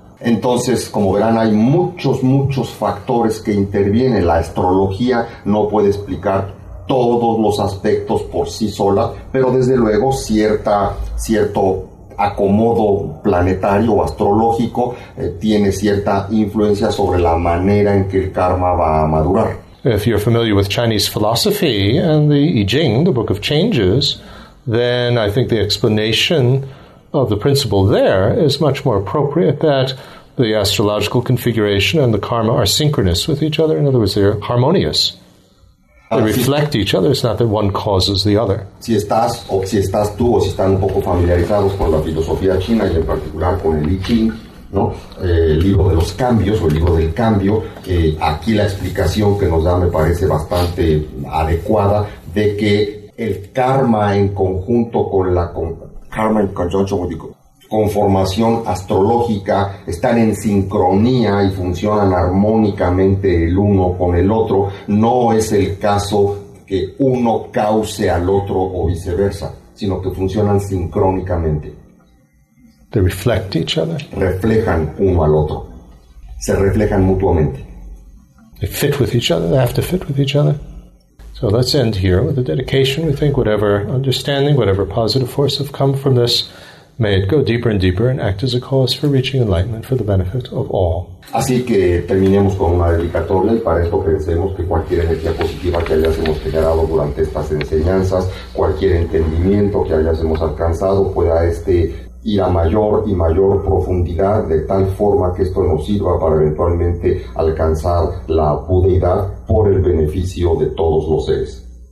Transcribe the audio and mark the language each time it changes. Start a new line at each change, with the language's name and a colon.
Spanish: Entonces, como verán, hay muchos, muchos factores que intervienen. La astrología no puede explicar todos los aspectos por sí sola, pero desde luego cierto acomodo planetario o astrológico tiene cierta influencia sobre la manera en que el karma va a madurar.
English: If you're familiar with Chinese philosophy and the I Ching, the Book of Changes, then I think the explanation of the principle there is much more appropriate, that the astrological configuration and the karma are synchronous with each other. In other words, they're harmonious. They reflect each other. It's not that one causes the other.
Spanish: Si estás tú o si están un poco familiarizados con la filosofía china y en particular con el I Ching, ¿no? El libro de los cambios o el libro del cambio, aquí la explicación que nos da me parece bastante adecuada, de que el karma en conjunto con la karma en
English: conjunction with the
Spanish: conformación astrológica están en sincronía y funcionan armónicamente el uno con el otro. No es el caso que uno cause al otro o viceversa, sino que funcionan sincrónicamente.
English: They reflect each other.
Spanish: Reflejan uno al otro. Se reflejan mutuamente.
English: They fit with each other. They have to fit with each other. So let's end here with a dedication. We think whatever understanding, whatever positive force have come from this, may it go deeper and deeper and act as a cause for reaching enlightenment for the benefit of all.
Spanish: Así que terminemos con una dedicatoria, y para esto pensemos que cualquier energía positiva que hayamos generado durante estas enseñanzas, cualquier entendimiento que hayamos alcanzado, pueda este ir a mayor y mayor profundidad, de tal forma que esto nos sirva para eventualmente alcanzar la budeidad por el beneficio de todos los seres.